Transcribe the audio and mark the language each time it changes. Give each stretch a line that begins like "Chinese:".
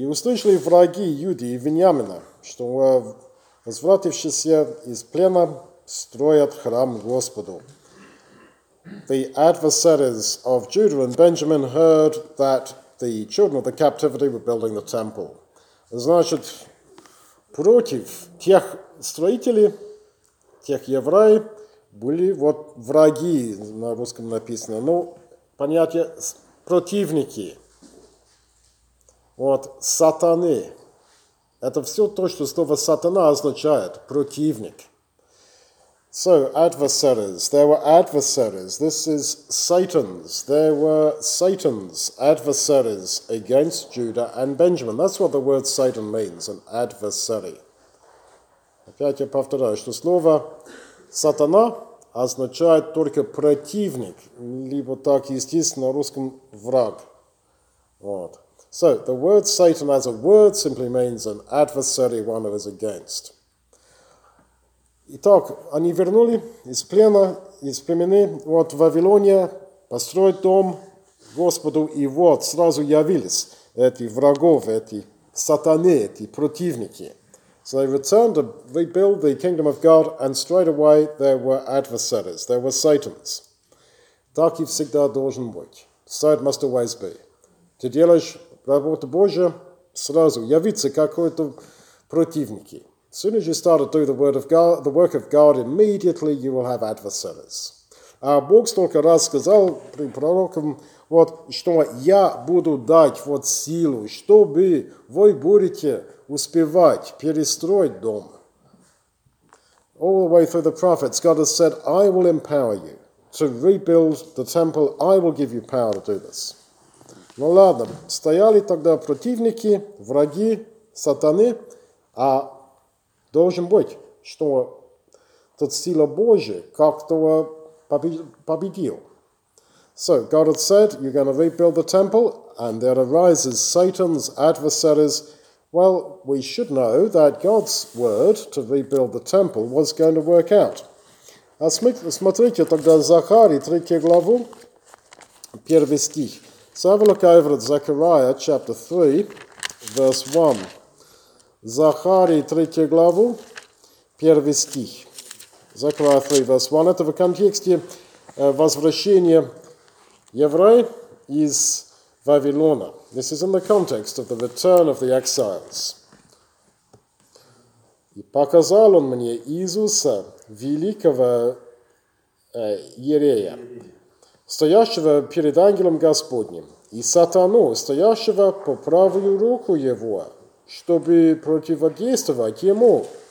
Russian: «И услышали враги Юды и Вениамина, что возвратившиеся из плена строят храм Господу».
English: The adversaries of Judah and Benjamin heard that the children of the captivity were building the temple.
Russian: Значит, против тех строителей, тех евреев, были вот враги, на русском написано, ну, понятие противники, вот, сатаны. Это все то, что слово сатана означает, противник.
English: So, adversaries, there were adversaries, this is Satans, there were Satans, adversaries against Judah and Benjamin. That's what the word Satan means, an adversary.
Russian: Опять я повторяю, что слово сатана означает только противник, либо так, естественно, русском враг. Вот.
English: So, the word Satan as a word simply means an adversary, one who is against.
Russian: Итак, они вернули из плена, из племени, вот в Вавилоне, построить дом Господу, и вот сразу явились эти врагов, эти сатаны, эти противники.
English: So they returned to rebuild the kingdom of God, and straight away there were adversaries, there were Satans.
Russian: Так и всегда должен быть.
English: So it must always be.
Russian: Ты делаешь работу Божию, сразу явится какой-то противник.
English: As soon as you start to do the word of God, the work of God, immediately you will have adversaries.
Russian: Бог столько раз сказал пророкам, вот, что я буду дать вот силу, чтобы вы будете успевать перестроить дом.
English: All the way through the prophets, God has said, I will empower you to rebuild the temple. I will give you power to do this.
Russian: Ну ладно, стояли тогда противники, враги, сатаны, а должен быть, что тот сила Божия как-то победил.
English: So, God had said, you're going to rebuild the temple, and there arises Satan's adversaries. Well, we should know that God's word to rebuild the temple was going to work out.
Russian: Смотрите тогда Захарий, 3 главу, 1 стих.
English: So, have a look over at Zechariah, chapter 3, verse 1.
Russian: Захарий, 3 главу, 1 стих.
English: Zechariah 3, verse 1.
Russian: Это в контексте возвращения евреев из Вавилона.
English: This is in the context of the return of the exiles.
Russian: И показал он мне Иисуса, великого Иерея, стоящего перед ангелом Господним, и сатану, стоящего по правую руку его, чтобы противодействовать ему.